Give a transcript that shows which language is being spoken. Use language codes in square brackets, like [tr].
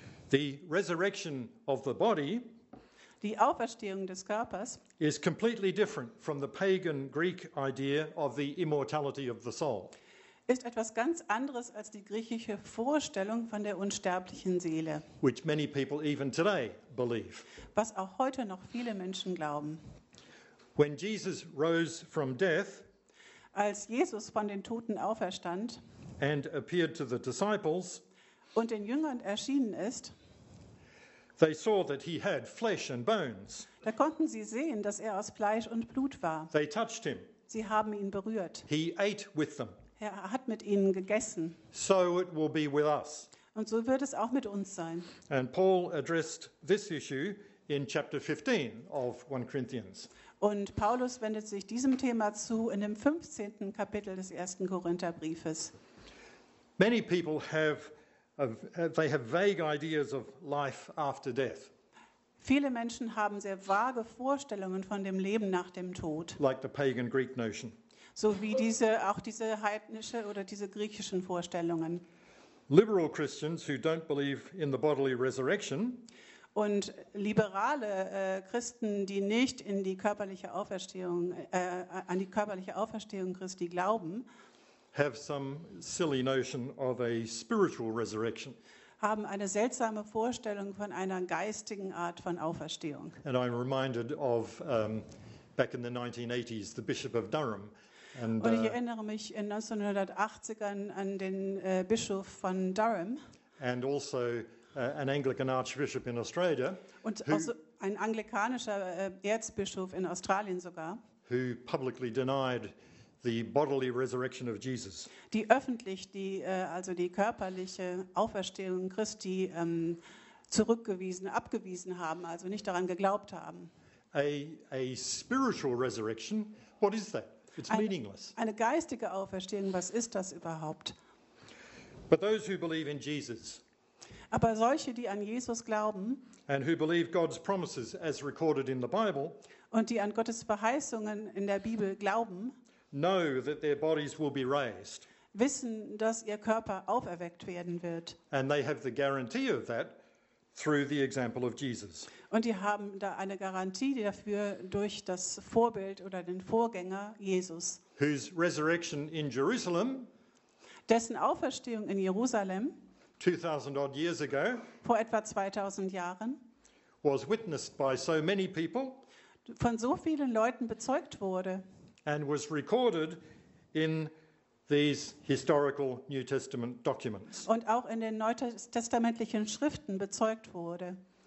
[en] The resurrection of the body, [de] die Auferstehung des Körpers, [en] is completely different from the pagan Greek idea of the immortality of the soul. [de] Ist etwas ganz anderes als die griechische Vorstellung von der unsterblichen Seele, [en] which many people even today believe. [de] Was auch heute noch viele Menschen glauben. [en] When Jesus rose from death, [de] als Jesus von den Toten auferstand [en] and appeared to the disciples, [de] und den Jüngern erschienen ist, [en] they saw that he had flesh and bones. [de] Da konnten sie sehen, dass er aus Fleisch und Blut war. [en] They touched him. [de] Sie haben ihn berührt. [en] He ate with them. [de] Er hat mit ihnen gegessen. [en] So it will be with us. [de] Und so wird es auch mit uns sein. [en] And Paul addressed this issue in chapter 15 of 1 Corinthians. [de] Und Paulus wendet sich diesem Thema zu in dem 15. Kapitel des 1. Korintherbriefes. [en] Many people have vague ideas of life after death. [de] Viele Menschen haben sehr vage Vorstellungen von dem Leben nach dem Tod. [en] Like the pagan Greek notion. [de] So wie diese auch diese heidnische oder diese griechischen Vorstellungen. [en] Liberal Christians who don't believe in the bodily resurrection. [de] Und liberale Christen, die nicht in die körperliche Auferstehung an die körperliche Auferstehung Christi glauben, [en] have some silly notion of a spiritual resurrection. [de] Haben eine seltsame Vorstellung von einer geistigen Art von Auferstehung. [en] And I'm reminded of back in the 1980s the Bishop of Durham. [de] And, und ich erinnere mich in 1980ern an den Bischof von Durham. [en] And also an Anglican Archbishop in Australia. [de] Und also ein anglikanischer Erzbischof in Australien sogar. [en] Who publicly denied the bodily resurrection of Jesus. [de] Die öffentlich die also die körperliche Auferstehung Christi abgewiesen haben, also nicht daran geglaubt haben. [en] A spiritual resurrection, what is that? It's meaningless. [de] Eine geistige Auferstehung, was ist das überhaupt? [en] But those who believe in Jesus, [de] aber solche, die an Jesus glauben, [en] and who believe God's promises as recorded in the Bible, [de] und die an Gottes Verheißungen in der Bibel glauben, [en] know that their bodies will be raised. [de] Wissen, dass ihr Körper auferweckt werden wird. [en] And they have the guarantee of that through the example of Jesus. [de] Und die haben da eine Garantie dafür durch das Vorbild oder den Vorgänger Jesus. [en] Whose resurrection in Jerusalem, [de] dessen Auferstehung in Jerusalem, [en] 2000 odd years ago, [de] vor etwa 2000 Jahren, [en] was witnessed by so many people, [de] von so vielen Leuten bezeugt wurde, [en] and was recorded in these historical New Testament documents. [de] Und auch in den neutestamentlichen Schriften bezeugt wurde.